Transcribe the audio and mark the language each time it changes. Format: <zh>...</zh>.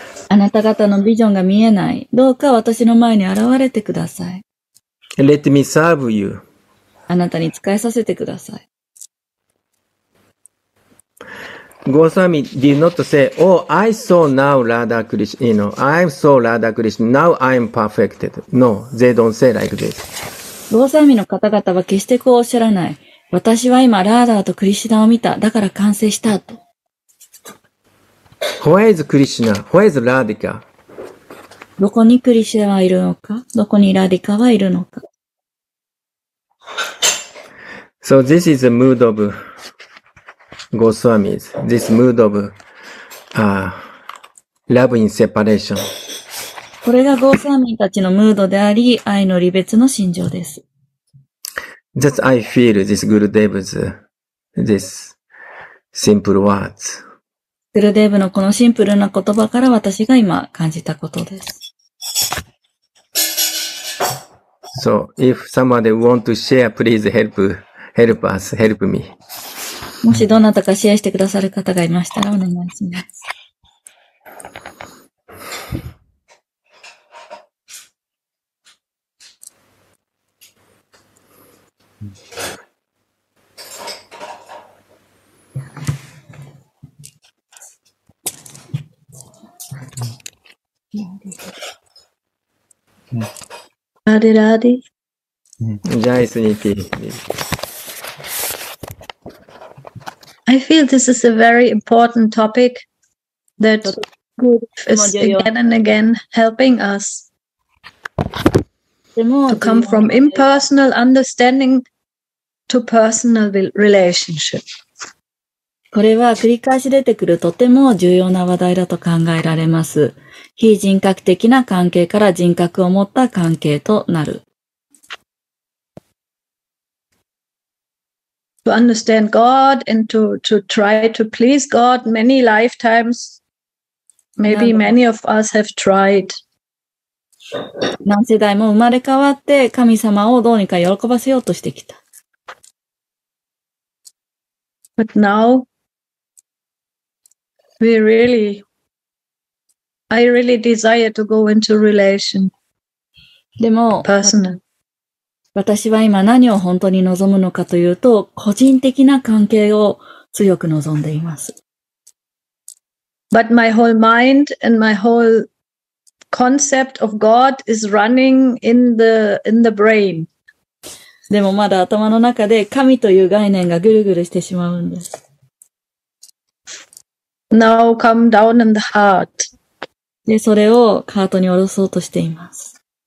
<ja>あなた方のビジョンが見えない。どうか私の前に現れてください。</ja> <en>Let me serve you.</en> <ja>あなたに仕えさせてください。</ja> <en>Goswami did not say, Oh, I saw now Radha Krishna, you know, I saw Radha Krishna, now I'm perfected. No, they don't say like this.</en> <ja>Goswami の方々は決してこうおっしゃらない。私は今ラーダーとクリシナを見た。だから完成したと。</ja> <en>Where is Krishna? Where is Radhika?</en> <ja>どこにクリシナはいるのか、どこにラディカはいるのか。</ja> <en>So this is the mood of Goswamis. This mood of love in separation.</en> <ja>これがゴースワミたちのムードであり、愛の離別の心情です。</ja> <en>That I feel this Gurudev's this simple words.</en> <ja>グルデーヴのこのシンプルな言葉から私が今感じたことです。</ja> <en>So, if someone want to share, please help, help us, help me.</en> <ja>もしどなたかシェアしてくださる方がいましたらお願いします。ラディラディ。ジャイスニーティ。</ja> <en>I feel this is a very important topic that is again and again helping us to come from impersonal understanding to personal relationship.</en> <ja>これは繰り返し出てくるとても重要な話題だと考えられます。非人格的な関係から人格を持った関係となる。</ja> <en>To understand God and to try to please God many lifetimes, maybe many of us have tried.</en> <ja>何世代も生まれ変わって神様をどうにか喜ばせようとしてきた。</ja> <en>But now, we reallyI really desire to go into relation.</en> <ja>でも、</ja> <en>personal.</en> <ja>私は今何を本当に望むのかというと、個人的な関係を強く望んでいます。</ja> <en>But my whole mind and my whole concept of God is running in the brain.</en> <ja>でもまだ頭の中で神という概念がぐるぐるしてしまうんです。</ja> <en>Now come down in the heart.</en> <ja>で、それをハートに下ろそうとしています。</ja>